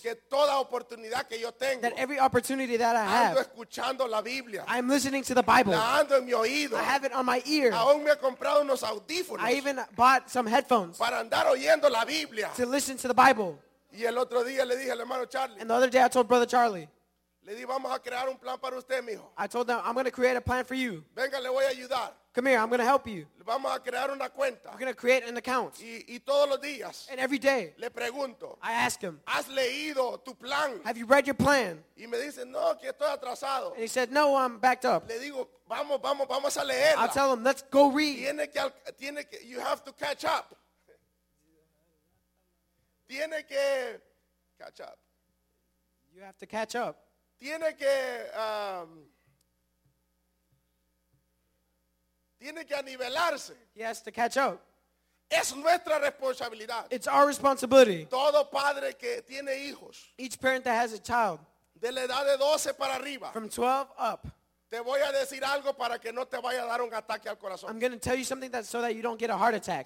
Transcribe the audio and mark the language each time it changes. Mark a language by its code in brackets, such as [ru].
[es] Que toda oportunidad que yo tengo. [en] That every opportunity that I have. [es] Ando escuchando la Biblia. [en] I'm listening to the Bible. [es] La ando en mi oído. [en] I have it on my ear. [es] Aún me he comprado unos audífonos. [en] I even bought some headphones. [es] Para andar oyendo la Biblia. [en] To listen to the Bible. [es] Y el otro día le dije al hermano Charlie. [en] And the other day I told Brother Charlie. [es] Le dije, vamos a crear un plan para usted, mijo. [en] I told him, I'm going to create a plan for you. [es] Venga, le voy a ayudar. [en] Come here, I'm going to help you. [es] Vamos a crear una cuenta. [en] We're going to create an account. [es] Y todos los días. [en] And every day. [es] Le pregunto. [en] I ask him. [es] ¿Has leído tu plan? [en] Have you read your plan? [es] Y me dice, no, que estoy atrasado. [en] And he said, no, I'm backed up. [es] Le digo, vamos a leerla. [en] I tell him, let's go read. [es] Tiene que, [en] you have to catch up. [es] Tiene que [en] catch up. You have to catch up. [es] Tiene que anivelarse. [en] He has to catch up. [es] Es nuestra responsabilidad. [en] It's our responsibility. [es] Todo padre que tiene hijos. [en] Each parent that has a child. [es] De la edad de 12 para arriba. [en] From 12 up. [es] Te voy a decir algo para que no te vaya a dar un ataque al corazón. [en] I'm going to tell you something that, so that you don't get a heart attack.